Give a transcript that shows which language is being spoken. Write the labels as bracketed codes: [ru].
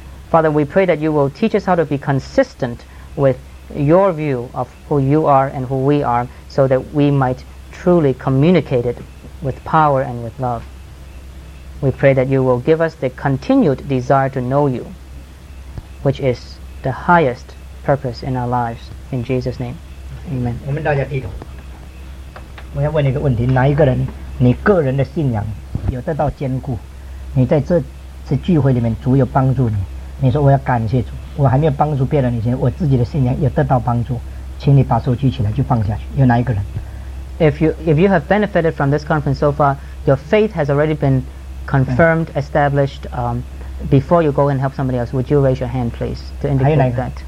[en] Father, we pray that you will teach us how to be consistent with your view of who you are and who we are, so that we might truly communicate it with power and with love. We pray that you will give us the continued desire to know you, which is the highest purpose in our lives. In Jesus' name, amen. [zh] 我们大家低头。我要问你一个问题，哪一个人你个人的信仰有得到坚固，你在这聚会里面主有帮助你，你说我要感谢主，我还没有帮助别人以前，我自己的信仰有得到帮助，请你把手举起来就放下去，有哪一个人？ [en] If you have benefited from this conference so far, your faith has already been confirmed, established, before you go and help somebody else, would you raise your hand please to indicate that?